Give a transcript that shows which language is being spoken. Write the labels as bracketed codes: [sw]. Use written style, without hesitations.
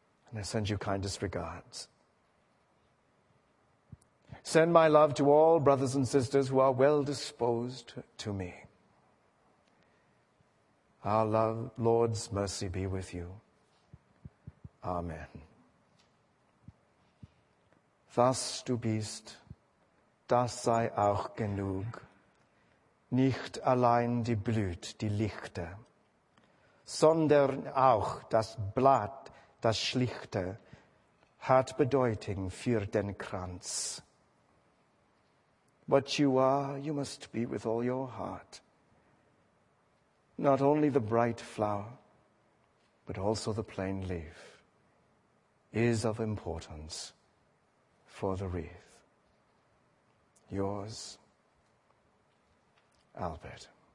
[en] And I send you kindest regards. Send my love to all brothers and sisters who are well disposed to me. Our love, Lord's mercy be with you. Amen. [de] Was du bist, das sei auch genug. Nicht allein die Blüt, die Lichter, sondern auch das Blatt, das Schlichte, hat Bedeutung für den Kranz. [en] What you are, you must be with all your heart. Not only the bright flower, but also the plain leaf, is of importance for the wreath. Yours, Albert.